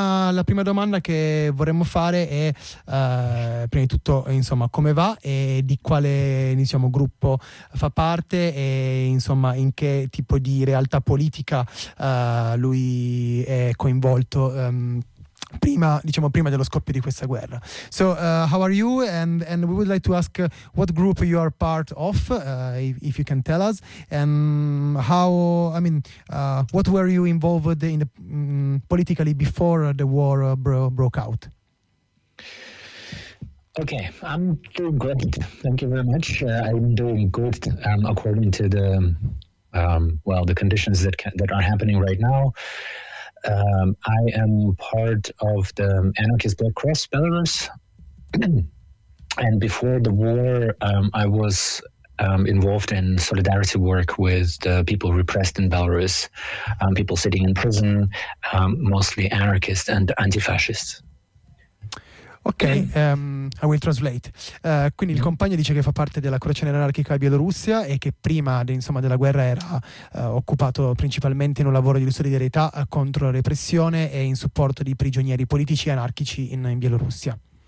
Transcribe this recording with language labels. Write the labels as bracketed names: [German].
[Italian] La prima domanda che vorremmo fare è prima di tutto, insomma, come va e di quale, diciamo, gruppo fa parte e, insomma, in che tipo di realtà politica lui è coinvolto. Prima dello scoppio di questa guerra. [English] So how are you? And we would like to ask what group you are part of, if you can tell us. And how, I mean, what were you involved in politically before the war broke out? Okay, I'm doing great. Thank you very much. I'm doing good according to the the conditions that are happening right now. I am part of the Anarchist Black Cross Belarus, and before the war I was involved in solidarity work with the people repressed in Belarus, people sitting in prison, mostly anarchists and anti-fascists. Ok, I will translate. [Italian] Quindi il compagno dice che fa parte della Croce Nera Anarchica Bielorussia e che prima, insomma, della guerra era occupato principalmente in un lavoro di solidarietà contro la repressione e in supporto di prigionieri politici e anarchici in Bielorussia.